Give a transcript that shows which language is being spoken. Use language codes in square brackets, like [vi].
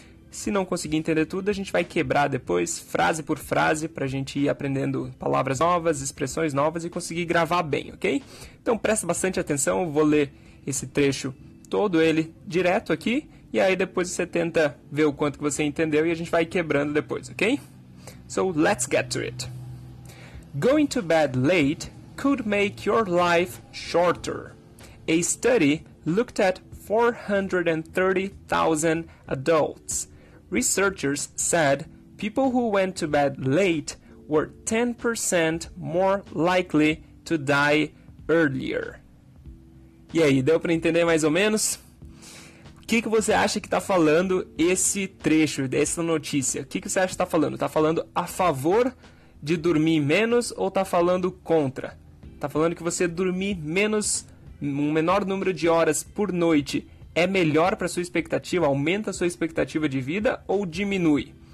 [pt] Se não conseguir entender tudo, a gente vai quebrar depois, frase por frase, para a gente ir aprendendo palavras novas, expressões novas e conseguir gravar bem, ok? Então presta bastante atenção, eu vou ler esse trecho todo ele direto aqui e aí depois você tenta ver o quanto que você entendeu e a gente vai quebrando depois, ok? [en] So let's get to it. Going to bed late could make your life shorter. A study looked at 430,000 adults. Researchers said people who went to bed late were 10% more likely to die earlier. [pt] E aí, deu para entender mais ou menos? O que você acha que está falando esse trecho, dessa notícia? O que você acha que está falando? Está falando a favor de dormir menos ou está falando contra? Está falando que você dormir menos, um menor número de horas por noite é melhor para sua expectativa, aumenta a sua expectativa de vida ou diminui?